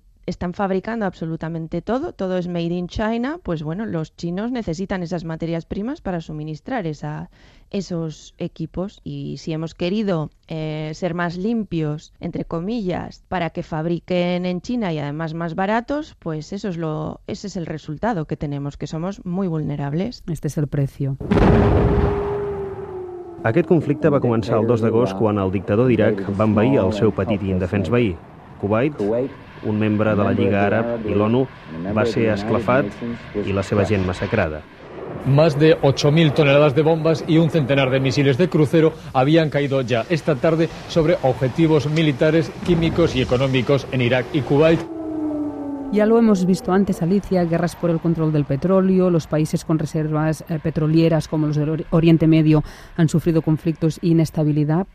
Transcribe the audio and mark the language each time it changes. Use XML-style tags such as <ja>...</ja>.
<es>están fabricando absolutamente todo, todo es made in China, pues bueno, los chinos necesitan esas materias primas para suministrar esos equipos. Y si hemos querido ser más limpios, entre comillas, para que fabriquen en China y además más baratos, pues ese es el resultado que tenemos, que somos muy vulnerables. Este es el precio.</es> <ca>Aquest conflicte va començar el 2 d'agost quan el dictador d'Iraq va envair el seu petit i indefens veí, Kuwait. Un membre de la Lliga Àrab i l'ONU va ser esclafat i la seva gent massacrada.</ca> <es>Más de 8.000 toneladas de bombas y un centenar de misiles de crucero habían caído ya esta tarde sobre objetivos militares, químicos y económicos en Irak y Kuwait. Ya lo hemos visto antes, Alicia, guerras por el control del petróleo, los países con reservas petrolieras como los del Oriente Medio han sufrido conflictos e inestabilidad.</es>